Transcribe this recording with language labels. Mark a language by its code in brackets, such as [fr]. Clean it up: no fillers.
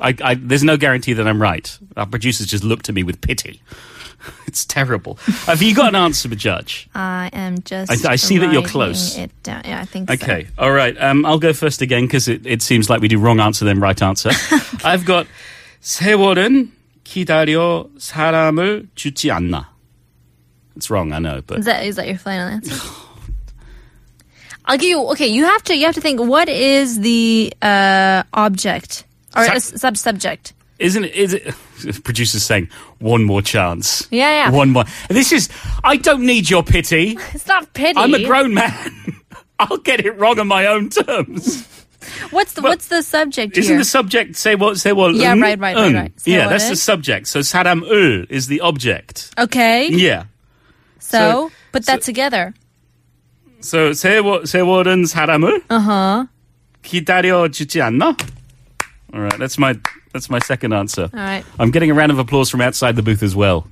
[en] I there's no guarantee that I'm right. Our producers just looked at me with pity. It's terrible. Have you got an answer, Bajaj? I see that you're close. Yeah, I think so. Okay, all right. I'll go first again because it seems like we do wrong answer, then right answer. I've got [ko] 세월은 기다려 사람을 주지 않나. [en] It's wrong, I know, but is that your final answer? I'll give you. Okay, you have to think. What is the object or subject? Isn't it? Producer's saying one more chance. Yeah, yeah. One more. This is. I don't need your pity. It's not pity. I'm a grown man. I'll get it wrong on my own terms. What's the subject? Isn't here? The subject say what? Say what? Yeah, right. Yeah, that's the subject. So Saddam Ul is the object. Okay. Yeah. So put that together. So [ko] 세월은 사람을 기다려 주지 않나? [en] All right, that's my second answer. All right. I'm getting a round of applause from outside the booth as well.